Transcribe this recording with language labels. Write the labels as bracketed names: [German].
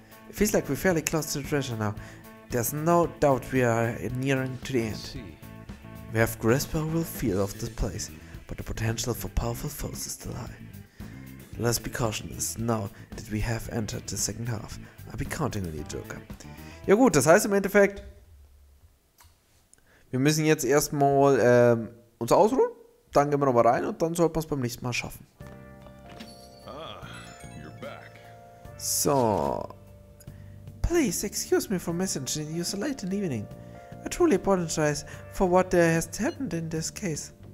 [English] It feels like we're fairly close to the treasure now. There's no doubt we are nearing to the end. We have grasped our field of this place, but the potential for powerful foes is still high. Let's be cautious now that we have entered the second half. I'll be counting on you, Joker. [German] Ja gut, das heißt im Endeffekt, wir müssen jetzt erstmal uns ausruhen, dann gehen wir nochmal rein und dann sollten wir es beim nächsten Mal schaffen. [English] You're back. So. Please excuse me for messaging you so late in the evening. I truly apologize for what has happened in this case.